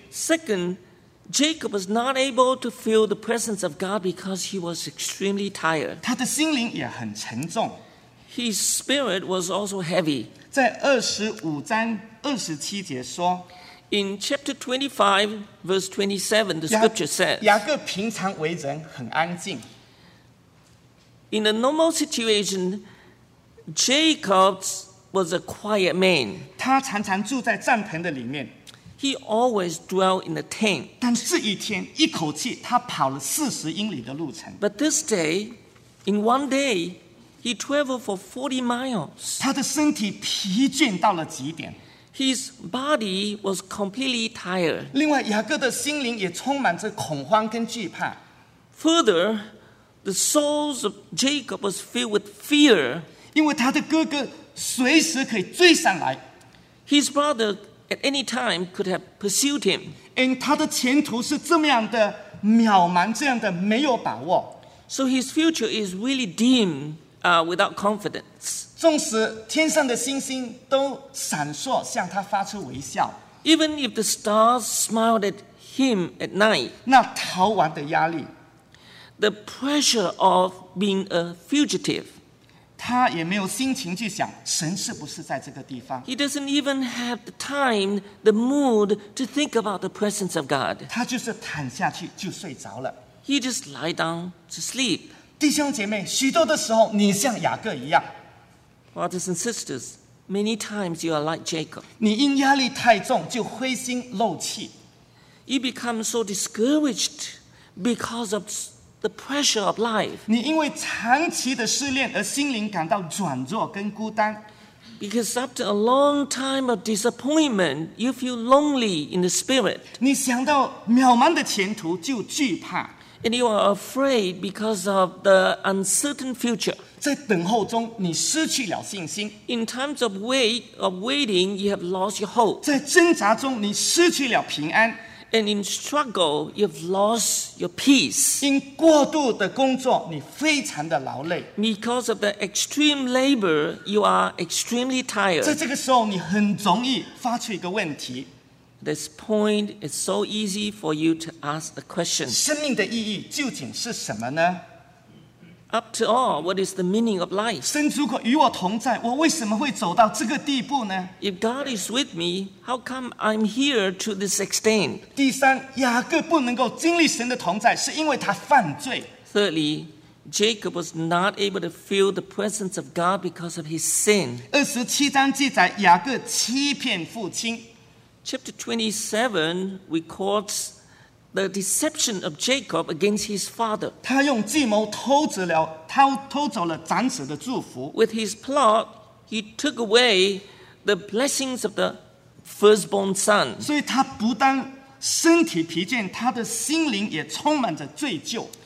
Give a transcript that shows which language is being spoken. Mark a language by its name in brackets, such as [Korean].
[English] Second, Jacob was not able to feel the presence of God because he was extremely tired. [Chinese] 他的心灵也很沉重 [English] His spirit was also heavy. [Chinese] 在二十五章二十七节说 [English] ，In chapter 25, verse 27, the scripture says, [Chinese] 雅各平常为人很安静。 [English] In a normal situation, Jacob was a quiet man. [Chinese] 他常常住在帐篷的里面。 [English] He always dwelt in a tent. [Chinese] 但这一天，一口气他跑了40英里的路程。 [English] But this day, in one day. He traveled for 40 miles. [Chinese] 他的身体疲倦到了极点。 [English] His body was completely tired. [Chinese] 另外，雅各的心灵也充满着恐慌跟惧怕。 [English] Further, the souls of Jacob was filled with fear. [Chinese] 因为他的哥哥随时可以追上来。 [English] His brother at any time could have pursued him. [Chinese] And 他的前途是这么样的渺茫，这样的没有把握。 [English] So his future is really dim. Without confidence. [Chinese] 纵使天上的星星都闪烁向他发出微笑 [English] Even if the stars smiled at him at night. [Chinese] 那逃亡的压力 [English] The pressure of being a fugitive. [Chinese] 他也没有心情去想神是不是在这个地方 [English] He doesn't even have the time, the mood to think about the presence of God. [Chinese] 他就是躺下去就睡着了 [English] He just lie down to sleep. [Chinese] 弟兄姐妹，许多的时候，你像雅各一样。 [English] Brothers and sisters, many times you are like Jacob. [Chinese] 你因压力太重就灰心漏气。 [English] You become so discouraged because of the pressure of life. [Chinese] 你因为长期的失恋而心灵感到软弱跟孤单。 [English] Because after a long time of disappointment, you feel lonely in the spirit. [Chinese] 你想到渺茫的前途就惧怕。 [English] And you are afraid because of the uncertain future. [Chinese] 在等候中，你失去了信心。 [English] In times of waiting, you have lost your hope. [Chinese] 在挣扎中，你失去了平安。 [English] And in struggle, you've lost your peace. [Chinese] 因过度的工作，你非常的劳累。 [English] Because of the extreme labor, you are extremely tired. [Chinese] 在这个时候，你很容易发出一个问题。 [English] This point is so easy for you to ask a question. [Chinese] 生命的意义究竟是什么呢？ [English] After all, what is the meaning of life? [Chinese] 神如果与我同在，我为什么会走到这个地步呢？ [English] If God is with me, how come I'm here to this extent? [Chinese] 第三，雅各不能够经历神的同在，是因为他犯罪。 [English] Thirdly, Jacob was not able to feel the presence of God because of his sin. [Chinese] 27章记载雅各欺骗父亲。 [English] Chapter 27 records the deception of Jacob against his father. [Chinese] 他用计谋偷走了长子的祝福。 [English] With his plot, he took away the blessings of the firstborn son. [Chinese] 所以他不但身体疲倦，他的心灵也充满着罪疚。